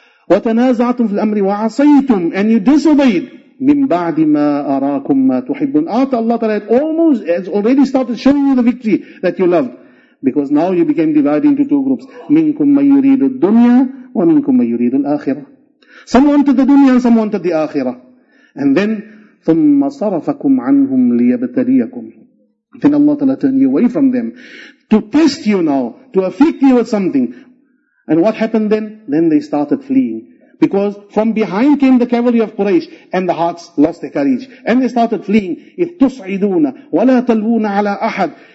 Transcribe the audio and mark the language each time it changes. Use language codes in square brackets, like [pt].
[ar] وَتَنَازَعْتُمْ فِي الْأَمْرِ وَعَصَيْتُمْ. [en] And you disobeyed. [ar] مِن بَعْدِ مَا أَرَاكُمْ مَا تُحِبُّونَ. [en] After Allah Ta'ala has already started showing you the victory that you loved. Because now you became divided into two groups. [ar] مِنْكُمْ مَن يُرِيدُ الدُّنْيَا وَمِنْكُمْ مَن يُرِيدُ الْآخِرَةِ. [en] Some wanted the dunya and some wanted the akhirah. And then, [ar] ثُمَّ صَرَفَكُمْ عَنْهُمْ لِيَبْتَلِيَكُمْ. [en] Then Allah Ta'ala turned you away from them. To test you now, to afflict you with something. And what happened then? Then they started fleeing. Because from behind came the cavalry of Quraysh, and the hearts lost their courage. And they started fleeing. [ar] إِذْ تُصْعِدُونَ وَلَا تَلْوُونَ عَلَىٰ أَحَدٍ.